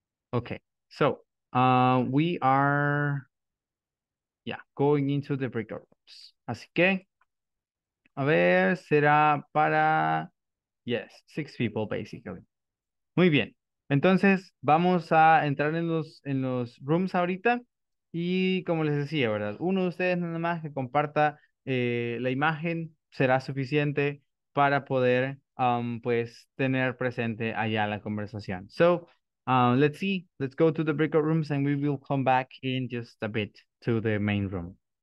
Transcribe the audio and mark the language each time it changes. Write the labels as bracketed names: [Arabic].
[English] Okay, so we are, yeah, going into the breakout rooms. [Spanish] Así que, a ver, será para, [English] yes, six people, basically. [Spanish] Muy bien, entonces vamos a entrar en los rooms ahorita. Y como les decía, ¿verdad? Uno de ustedes nada más que comparta la imagen será suficiente para poder, pues, tener presente allá la conversación. [English] So, let's see, let's go to the breakout rooms and we will come back in just a bit to the main room.